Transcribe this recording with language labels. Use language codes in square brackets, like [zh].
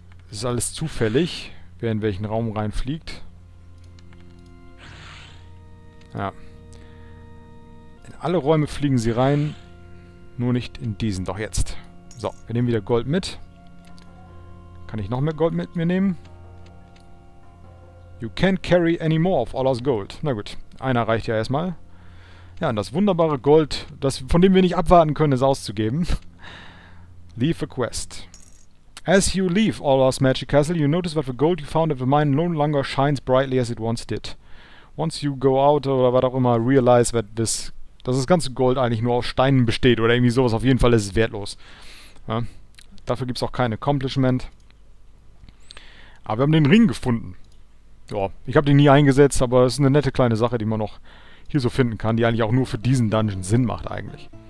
[de] Es ist alles zufällig, wer in welchen Raum reinfliegt. Ja. In alle Räume fliegen sie rein, nur nicht in diesen, doch jetzt. So, wir nehmen wieder Gold mit. Kann ich noch mehr Gold mit mir nehmen? [en] You can't carry any more of all our gold. [de] Na gut, einer reicht ja erstmal. Ja, und das wunderbare Gold, das, von dem wir nicht abwarten können, es auszugeben. [en] Leave a quest. As you leave Orla's Magic Castle, you notice that the gold you found at the mine no longer shines brightly as it once did. Once you go out, [de] oder was auch immer, [en] realize that this... [de] Dass das ganze Gold eigentlich nur aus Steinen besteht oder irgendwie sowas. Auf jeden Fall ist es wertlos. Ja. Dafür gibt es auch kein Accomplishment. Aber wir haben den Ring gefunden. Ja, ich habe den nie eingesetzt, aber es ist eine nette kleine Sache, die man noch hier so finden kann, die eigentlich auch nur für diesen Dungeon Sinn macht eigentlich.